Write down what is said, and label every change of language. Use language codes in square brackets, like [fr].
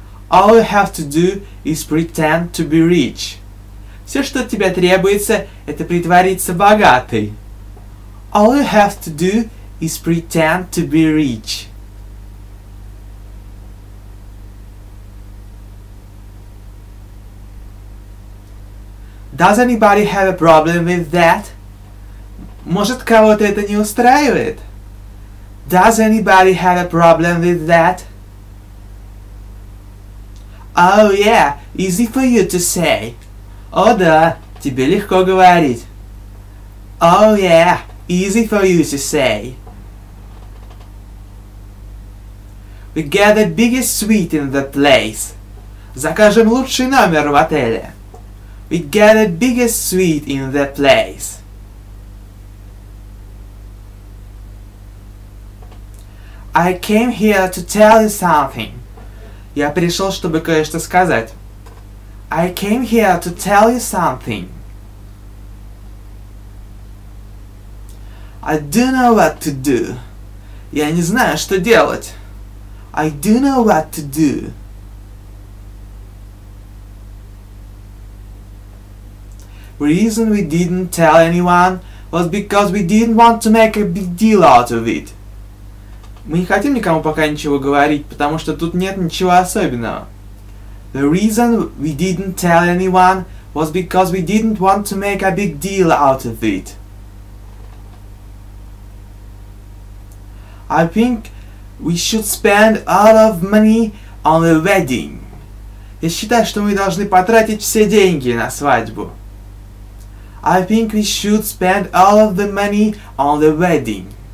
[en] All you have to do is pretend to be rich. [ru] Все, что от тебя требуется, это притвориться богатой. [en] All you have to do is pretend to be rich. Does anybody have a problem with that? [ru] Может, кого-то это не устраивает? [en] Does anybody have a problem with that? Oh yeah, easy for you to say. [ru] О да, тебе легко говорить. [en] Oh yeah, easy for you to say. We get the biggest suite in the place. [ru] Закажем лучший номер в отеле. [en] We get the biggest suite in the place. I came here to tell you something. [ru] Я пришел, чтобы кое-что сказать. [en] I came here to tell you something. I do know what to do. [ru] Я не знаю, что делать. [en] I do know what to do. The reason we didn't tell anyone was because we didn't want to make a big deal out of it. [ru] Мы не хотим никому пока ничего говорить, потому что тут нет ничего особенного. [en] The reason we didn't tell anyone was because we didn't want to make a big deal out of it. I think we should spend a lot of money on a wedding. [ru] Я считаю, что мы должны потратить все деньги на свадьбу. [en] I think we should spend all of the money on the wedding.